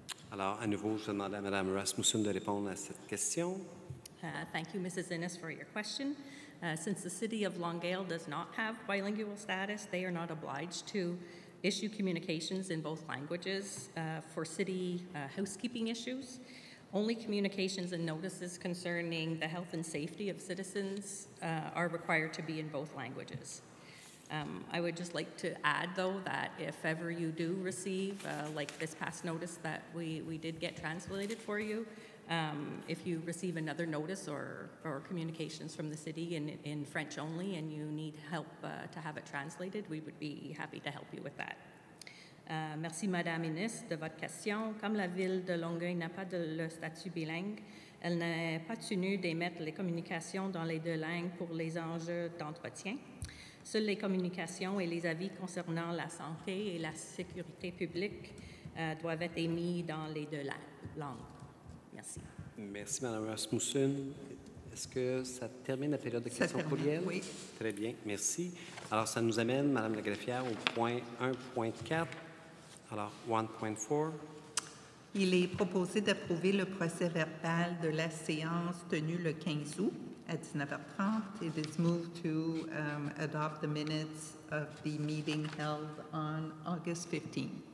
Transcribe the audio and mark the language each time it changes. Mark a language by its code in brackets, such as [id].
[fr] Alors, à nouveau, je demande à Madame Rasmussen de répondre à cette question. [en] Thank you, Mrs. Innes, for your question. Since the city of Longueuil does not have bilingual status, they are not obliged to issue communications in both languages for city housekeeping issues. Only communications and notices concerning the health and safety of citizens are required to be in both languages. I would just like to add, though, that if ever you do receive, like this past notice that we did get translated for you, if you receive another notice or communications from the city in French only and you need help to have it translated, we would be happy to help you with that. [fr] Merci, Madame Innes, de votre question. Comme la ville de Longueuil n'a pas le statut bilingue, elle n'est pas tenue d'émettre les communications dans les deux langues pour les enjeux d'entretien. Seules les communications et les avis concernant la santé et la sécurité publique doivent être émis dans les deux langues. Merci. Merci, Mme Rasmussen. Est-ce que ça termine la période de questions courrielles? Oui. Très bien, merci. Alors, ça nous amène, Mme la greffière, au point 1.4. Alors, 1.4. Il est proposé d'approuver le procès-verbal de la séance tenue le 15 août à 19h30. [en] It is moved to adopt the minutes of the meeting held on August 15.